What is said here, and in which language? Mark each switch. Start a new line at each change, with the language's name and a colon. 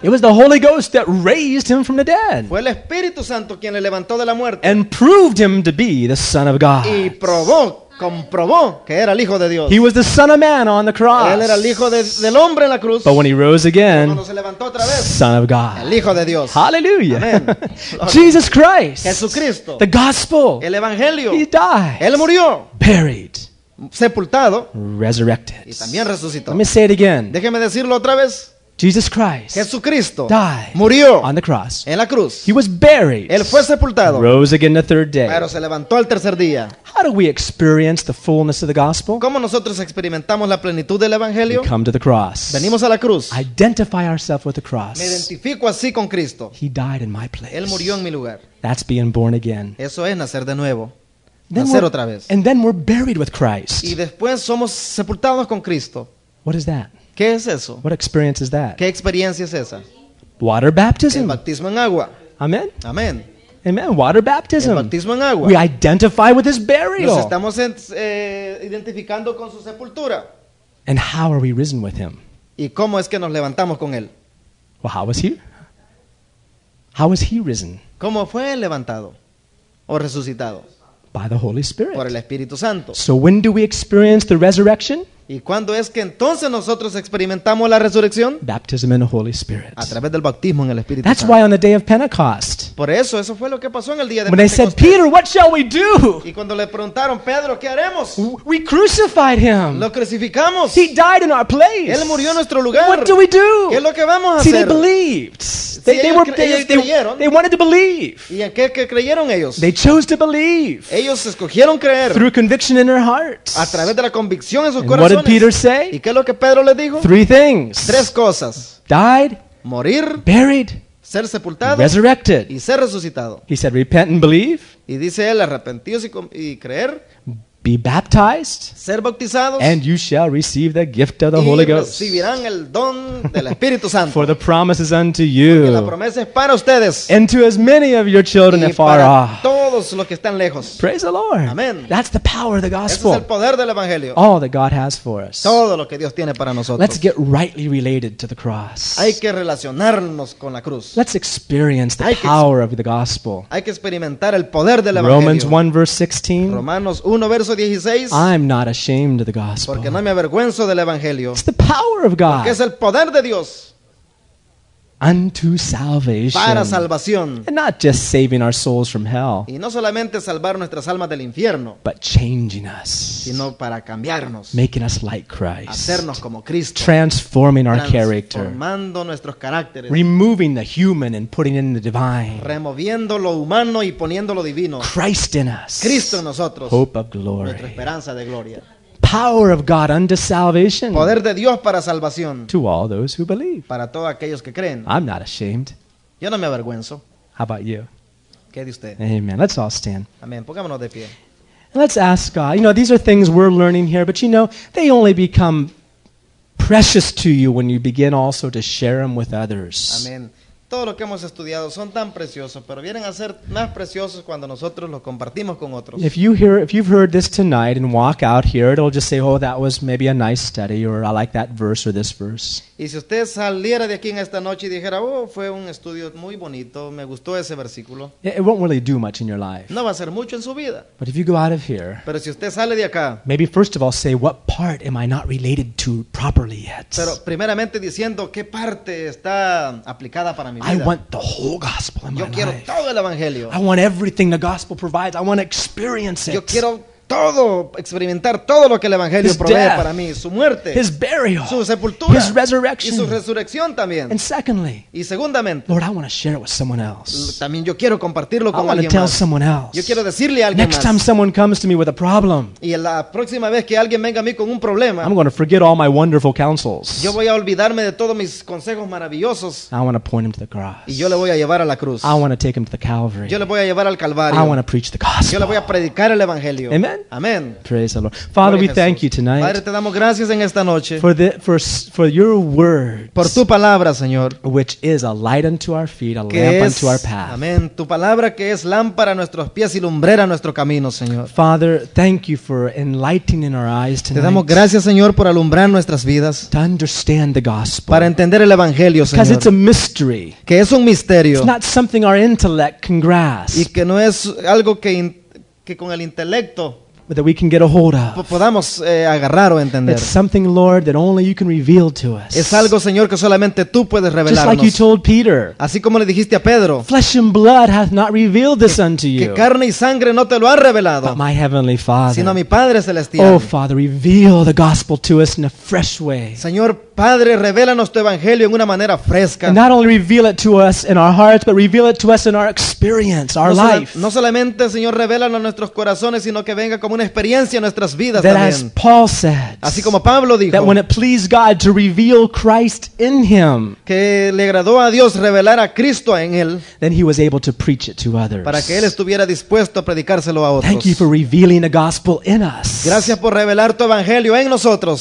English: It was the Holy Ghost that raised him from the dead.
Spanish: Fue el Espíritu Santo quien le levantó de la muerte.
English: And proved him to be the Son of God.
Spanish: Y probó. Comprobó que era el Hijo de Dios.
English: He was the Son of Man on the cross.
Spanish: Él era el Hijo del Hombre en la cruz.
English: But when he rose again,
Spanish: cuando se levantó otra vez,
English: Son of God.
Spanish: El Hijo de Dios.
English: Hallelujah. Jesus Christ.
Spanish: Jesucristo.
English: The gospel.
Spanish: El Evangelio.
English: He died.
Spanish: Él murió.
English: Buried.
Spanish: Sepultado.
English: Resurrected.
Spanish: Y también resucitó.
English: Let me say it again.
Spanish: Déjeme decirlo otra vez.
English: Jesus Christ.
Spanish: Jesucristo.
English: Died.
Spanish: Murió.
English: On the cross.
Spanish: En la cruz.
English: He was buried.
Spanish: Él fue sepultado.
English: Rose again the third day.
Spanish: Pero se levantó al tercer día.
English: How do we experience the fullness of the gospel?
Spanish: ¿Cómo nosotros experimentamos la plenitud del evangelio?
English: We come to the cross.
Spanish: Venimos a la cruz.
English: Identify ourselves with the cross.
Spanish: Me identifico así con Cristo.
English: He died in my place.
Spanish: Él murió en mi lugar.
English: That's being born again.
Spanish: Eso es nacer de nuevo. Nacer otra vez.
English: And then we're buried with Christ.
Spanish: Y después somos sepultados con Cristo.
English: What is that?
Spanish: ¿Qué es eso?
English: What experience is that?
Spanish: ¿Qué experiencia es esa?
English: Water baptism.
Spanish: El bautismo en agua.
English: Amen.
Spanish: Amen.
English: Amen. Water baptism.
Spanish: El bautismo en agua.
English: We identify with his burial.
Spanish: Nos estamos identificando con su sepultura.
English: And how are we risen with him?
Spanish: ¿Y cómo es que nos levantamos con él?
English: Well, how was he risen?
Spanish: ¿Cómo fue levantado o resucitado?
English: By the Holy Spirit.
Spanish: Por el Espíritu Santo.
English: So when do we experience the resurrection?
Spanish: ¿Y cuándo es que entonces nosotros experimentamos la resurrección?
English: Baptism in the Holy Spirit.
Spanish: A través del bautismo en el Espíritu
English: Santo. That's why on the day of Pentecost.
Spanish: Por eso fue lo que pasó en el día de Pentecostés.
English: When they said, Peter, what shall we do?
Spanish: Y cuando le preguntaron, Pedro, ¿qué haremos?
English: We crucified him.
Spanish: Lo crucificamos.
English: He died in our place.
Spanish: Él murió en nuestro lugar.
English: What do we do?
Spanish: ¿Qué es lo que vamos a hacer?
English: See, they believed. They wanted to believe.
Spanish: ¿Y en qué creyeron ellos?
English: They chose to believe.
Spanish: Ellos escogieron creer.
English: Through conviction in their hearts.
Spanish: A través de la convicción en sus
English: and
Spanish: corazones.
English: What did Peter say?
Spanish: ¿Y qué es lo que Pedro le dijo?
English: Three things.
Spanish: Tres cosas.
English: Died.
Spanish: Morir.
English: Buried.
Spanish: Ser sepultado.
English: Resurrected.
Spanish: Y ser resucitado.
English: He said, repent and believe.
Spanish: Y dice él, arrepentíos y creer.
English: Be baptized.
Spanish: Ser bautizados.
English: And you shall receive the gift of the Holy Ghost.
Spanish: Y recibirán el don del Espíritu Santo.
English: For the promise is unto you.
Spanish: Porque la promesa es para ustedes.
English: And to as many of your children afar off.
Spanish: todos los que están lejos.
English: Praise the Lord.
Spanish: Amen.
English: That's the power of the gospel.
Spanish: Ese es el poder del evangelio.
English: All that God has for us.
Spanish: Todo lo que Dios tiene para nosotros.
English: Let's get rightly related to the cross.
Spanish: Hay que relacionarnos con la cruz.
English: Let's experience the power of the gospel.
Spanish: Hay que experimentar el poder del evangelio.
English: Romans 1 verse 16.
Spanish: Romanos 1 verso 16.
English: I'm not ashamed of the gospel.
Spanish: Porque no me avergüenzo del evangelio.
English: It's the power of God.
Spanish: Porque es el poder de Dios.
English: Unto salvation.
Spanish: Para salvación.
English: And not just saving our souls from hell.
Spanish: Y no solamente salvar nuestras almas del infierno.
English: But changing us.
Spanish: Sino para cambiarnos.
English: Making us like Christ.
Spanish: Hacernos como Cristo.
English: Transforming our character.
Spanish: Transformando nuestros caracteres.
English: Removing the human and putting in the divine.
Spanish: Removiendo lo humano y poniendo lo divino.
English: Christ in us.
Spanish: Cristo en nosotros.
English: Hope of glory.
Spanish: Nuestra esperanza de gloria.
English: Power of God unto salvation.
Spanish: Poder de Dios para salvación.
English: To all those who believe.
Spanish: Para todos aquellos que creen.
English: I'm not ashamed.
Spanish: Yo no me avergüenzo.
English: How about you?
Spanish: ¿Qué de usted?
English: Amen. Let's all stand.
Spanish: Amén. Pongámonos de pie.
English: Let's ask God. You know, these are things we're learning here, but you know, they only become precious to you when you begin also to share them with others.
Spanish: Amén. Todo lo que hemos estudiado son tan preciosos, pero vienen a ser más preciosos cuando nosotros los compartimos con otros.
English: If you've heard this tonight and walk out here, it'll just say, "Oh, that was maybe a nice study," or "I like that verse" or "this verse."
Spanish: Y si usted saliera de aquí en esta noche y dijera, "Oh, fue un estudio muy bonito, me gustó ese versículo."
English: It won't really do much in your life.
Spanish: No va a hacer mucho en su vida.
English: But if you go out of here,
Spanish: pero si usted sale de acá,
English: maybe first of all say, "What part am I not related to properly yet?"
Spanish: Pero primeramente diciendo, ¿qué parte está aplicada para mí?
English: I want the whole gospel in
Spanish: yo
English: my
Spanish: quiero
English: life.
Spanish: Todo el evangelio.
English: I want everything the gospel provides. I want to experience it.
Spanish: Yo quiero todo, experimentar todo lo que el evangelio
English: his
Spanish: provee
English: death,
Spanish: para mí. Su muerte.
English: His burial.
Spanish: Su sepultura.
English: His resurrection.
Spanish: Y su resurrección también.
English: And secondly.
Spanish: Y segundamente.
English: Lord, I want to share it with someone else.
Spanish: También yo quiero compartirlo con alguien
English: más. I want to tell someone else.
Spanish: Yo quiero decirle a alguien
English: next
Spanish: más.
English: Time someone comes to me with a problem.
Spanish: Y la próxima vez que alguien venga a mí con un problema.
English: I'm going to forget all my wonderful counsels.
Spanish: Yo voy a olvidarme de todos mis consejos maravillosos.
English: I want to point him to the cross.
Spanish: Y yo le voy a llevar a la cruz.
English: I want to take him to the Calvary.
Spanish: Yo le voy a llevar al Calvario.
English: I want to preach the gospel.
Spanish: Yo le voy a predicar el evangelio.
English: Amen.
Spanish: Amen.
English: Praise the Lord. Father,
Spanish: Jesús,
English: we thank you tonight.
Spanish: Padre, te damos gracias en esta noche.
English: For your word.
Spanish: Por tu palabra, Señor.
English: Which is a light unto our feet, a lamp unto our path. Amen.
Spanish: Tu palabra que es lámpara a nuestros pies y lumbrera a nuestro camino, Señor.
English: Father, thank you for enlightening our eyes tonight.
Spanish: Te damos gracias, Señor, por alumbrar nuestras vidas.
English: To understand the gospel.
Spanish: Para entender el evangelio, Señor.
English: Because it's a mystery.
Spanish: Que es un misterio.
English: It's not something our intellect can grasp.
Spanish: Y que no es algo que con el intelecto
English: that we can get a hold of.
Spanish: Podamos agarrar o entender.
English: It's something, Lord, that only you can reveal to us.
Spanish: Es algo, Señor, que solamente tú puedes revelarnos.
English: Just like you told Peter.
Spanish: Así como le dijiste a Pedro.
English: Flesh and blood hath not revealed this unto you.
Spanish: Que carne y sangre no te lo ha revelado.
English: But my heavenly Father.
Spanish: Sino mi Padre celestial.
English: Oh, Father, reveal the gospel to us in a fresh way.
Spanish: Señor, Padre, revélanos tu evangelio en una manera fresca.
English: And not only reveal it to us in our hearts, but reveal it to us in our experience, our life.
Spanish: No solamente, Señor, revélanos nuestros corazones, sino que venga como una experiencia en nuestras vidas
English: that
Spanish: también.
English: As Paul said,
Spanish: así como Pablo dijo,
English: that when it pleased God to reveal Christ in him,
Spanish: que le agradó a Dios revelar a Cristo en él,
English: then he was able to preach it to others.
Spanish: Para que él estuviera dispuesto a predicárselo a otros.
English: Thank you for revealing the gospel in us.
Spanish: Gracias por revelar tu evangelio en nosotros.